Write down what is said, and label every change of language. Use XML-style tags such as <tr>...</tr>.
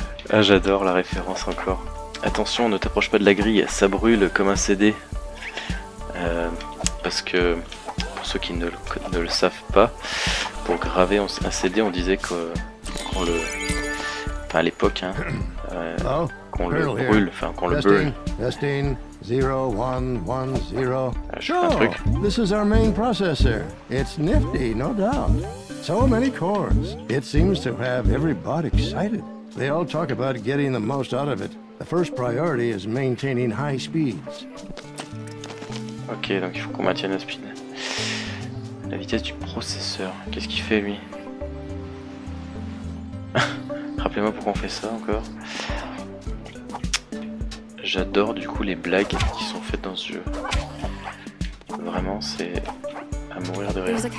<fr>Ah, j'adore la référence encore. Attention, ne t'approche pas de la grille, ça brûle comme un CD. Parce que, pour ceux qui ne le savent pas, pour graver un CD, on disait qu'on le... Enfin, à l'époque, hein. Qu'on le brûle, enfin, qu'on le brûle.</fr> <en>Testing, 0110. Sure, this is our main processor. It's nifty, no doubt. So many cores. It seems to have everybody excited. They all talk about getting the most out of it. The first priority is maintaining high speeds.</en> <fr>Ok, donc il faut qu'on maintienne la speed. La vitesse du processeur, qu'est-ce qu'il fait lui? Rappelez-moi pourquoi on fait ça encore. J'adore du coup les blagues qui sont faites dans ce jeu. Vraiment, c'est à mourir de rire.</fr>